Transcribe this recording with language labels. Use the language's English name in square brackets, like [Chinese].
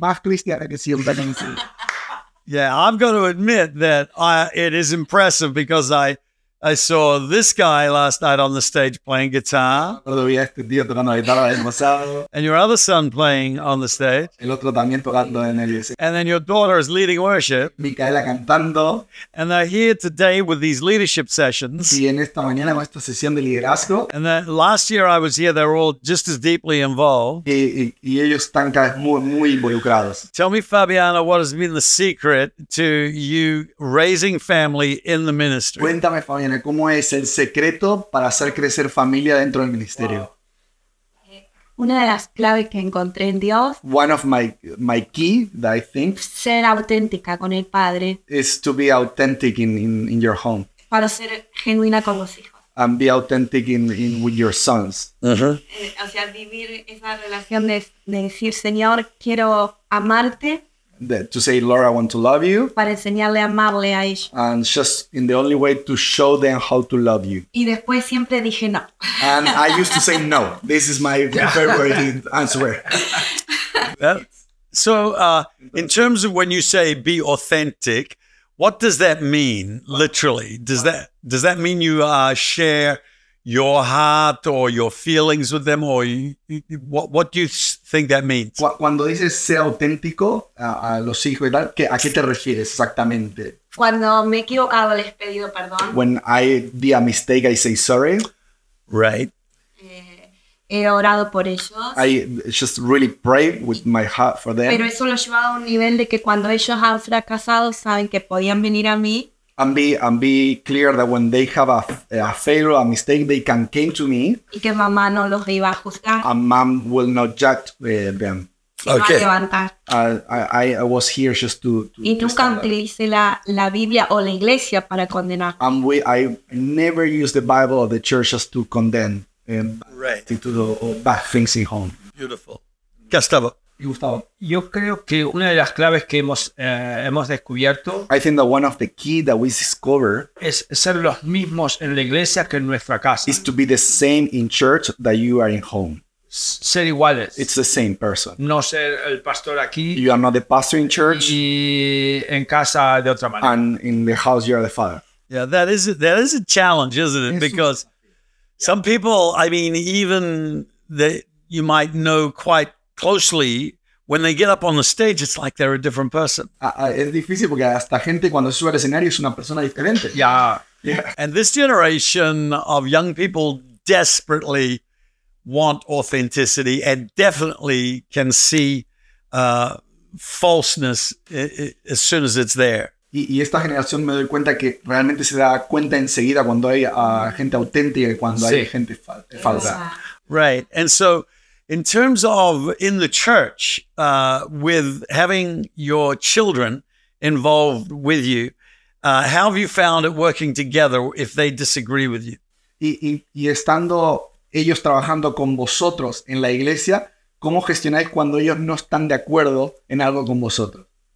[English] Yeah, I've got to admit that it is impressive because I saw this guy last night on the stage playing guitar. And your other son playing on the stage. [Spanish] El otro también tocando en el... [English] And then your daughter is leading worship. [Spanish] Micaela cantando. [English] And they're here today with these leadership sessions. [Spanish] Y en esta mañana con esta sesión de liderazgo. [English] And then last year I was here, they were all just as deeply involved. [Spanish] Y ellos están muy involucrados. [English] Tell me, Fabiana, what has been the secret to you raising family in the ministry? [Spanish] Cuéntame, Fabiana. ¿Cómo es el secreto para hacer crecer familia dentro del ministerio? Wow. Una de las claves que encontré en Dios. [English] One of my key that I think. [Spanish] Ser auténtica con el padre. [English] Is to be authentic in your home. [Spanish] Para ser genuina con los hijos. [English] And be authentic in with your sons. [Spanish] O sea, vivir esa relación de decir, Señor, quiero amarte. [English] To say, Lord, I want to love you. [Spanish] Para enseñarle a amarle a ellos. [English] And just in the only way to show them how to love you. [Spanish] Y después siempre dije no. [English] And I used to say no. This is my favorite answer. So in terms of when you say be authentic, what does that mean literally? Does that mean you share your heart or your feelings with them, or what do you think that means? [Spanish] Cuando dices sea auténtico a los hijos y tal, ¿a qué te refieres exactamente? Cuando me he equivocado, les he pedido perdón. [English] When I did a mistake, I say sorry. Right. [Spanish] He orado por ellos. [English] I just really pray with my heart for them. [Spanish] Pero eso lo he llevado a un nivel de que cuando ellos han fracasado, saben que podían venir a mí. [English] and be clear that when they have a failure, a mistake, they can come to me. [Spanish] Y que mamá no los iba a juzgar. [English] And mom will not judge them. Okay. I was here just to [Spanish] y nunca utilicé la Biblia o la iglesia para condenar. [English] And I never use the Bible or the church just to condemn bad things in home. Beautiful. Gustavo. [Spanish] Gustavo, yo creo que una de las claves que hemos descubierto, [English] I think that one of the key that we discover, [Spanish] es ser los mismos en la iglesia que en nuestra casa. [English] Is to be the same in church that you are in home. [Spanish] Ser iguales. [English] It's the same person. [Spanish] No ser el pastor aquí. [English] You are not the pastor in church. [Spanish] Y en casa de otra manera. [English] And in the house you are the father. Yeah, that is a challenge, isn't it? Because some people, I mean, even that you might know quite closely, when they get up on the stage, it's like they're a different person. [Spanish] Es difícil porque hasta gente cuando sube al escenario es una persona diferente. [English] Yeah. And this generation of young people desperately want authenticity and definitely can see falseness as soon as it's there. [Spanish] Y esta generación me doy cuenta que realmente se da cuenta enseguida cuando hay gente auténtica y cuando hay gente falsa. [English] Right. And so in terms of in the church, with having your children involved with you, how have you found it working together if they disagree with you? [Spanish] Y estando ellos trabajando con vosotros en la iglesia, ¿cómo gestionáis cuando ellos no están de acuerdo en algo con vosotros?